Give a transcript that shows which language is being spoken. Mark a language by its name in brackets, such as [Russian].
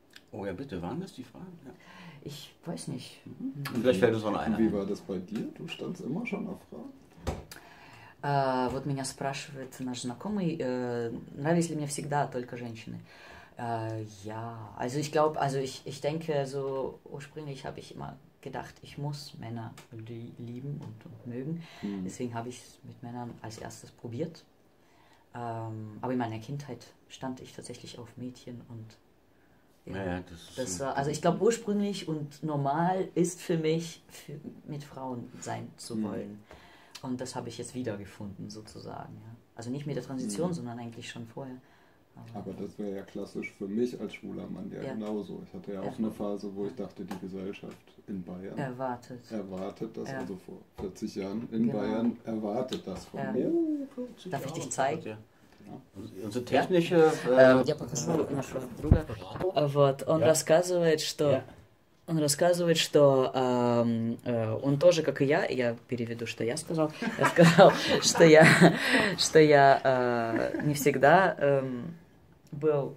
[German] Oh ja, bitte, waren das die Fragen? Ich weiß nicht. Mhm. Vielleicht fällt es von einer. Wie war das bei dir? Du standst immer schon auf Frauen. [Russian] Вот меня спрашивает наш знакомый, нравились ли мне всегда только женщины? [German] Ja, also ich glaube, also ich denke, so ursprünglich habe ich immer gedacht, ich muss Männer lieben und mögen. Mhm. Deswegen habe ich es mit Männern als erstes probiert. Aber in meiner Kindheit stand ich tatsächlich auf Mädchen und Das war, also ich glaube ursprünglich und normal ist für mich, mit Frauen sein zu wollen. Mhm. Und das habe ich jetzt wiedergefunden sozusagen. Ja. Also nicht mit der Transition, sondern eigentlich schon vorher. Aber das wäre ja klassisch für mich als schwuler Mann ja genauso. Ich hatte ja auch eine Phase, wo ich dachte, die Gesellschaft in Bayern erwartet das. Also vor 40 Jahren in Bayern erwartet das von mir. Darf ich dich zeigen? Unsere technische... [Russian] Вот, он рассказывает, что... Он рассказывает, что он тоже, как и я, переведу, что я сказал, что я не всегда был...